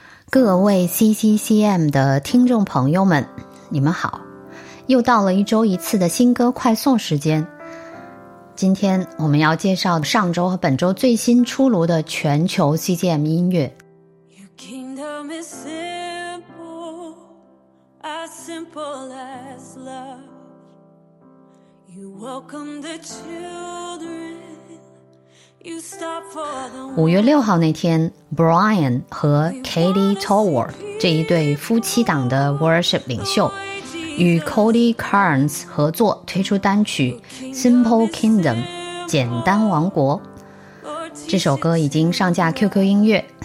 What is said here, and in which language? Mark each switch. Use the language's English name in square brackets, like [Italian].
[Chinese] 各位 CCCM 的听众朋友们，你们好，又到了一周一次的新歌快送时间。今天我们要介绍上周和本周最新出炉的全球 CCM 音乐。 [English] Your kingdom is simple, as simple as love. You welcome the children. [Chinese] 5月6号那天 Brian 和 Katie Tolworth 这一对夫妻档的 Worship 领袖与 Cody Carnes 合作推出单曲 Simple Kingdom 简单王国，这首歌已经上架 QQ 音乐。